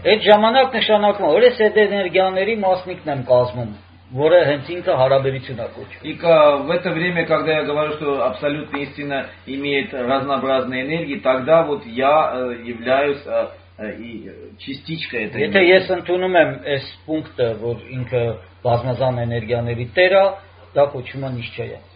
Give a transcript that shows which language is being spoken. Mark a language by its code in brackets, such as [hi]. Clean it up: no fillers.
[ru] это [hy] ժամանակ նշանակում է, որ ես այդ էներգիաների մասնիկն եմ կազմում. Որը հենց ինքը հարաբերություն է կոչում։ Իկա [ru] в это время, когда я говорю, что абсолютная истина имеет разнообразные энергии, тогда вот я являюсь частичкой этой. [hy] Եթե ես ընդունում եմ այս пункта, որ ինքը բազմազան էներգիաների տեր է, դա կոչվում է նիշչայա։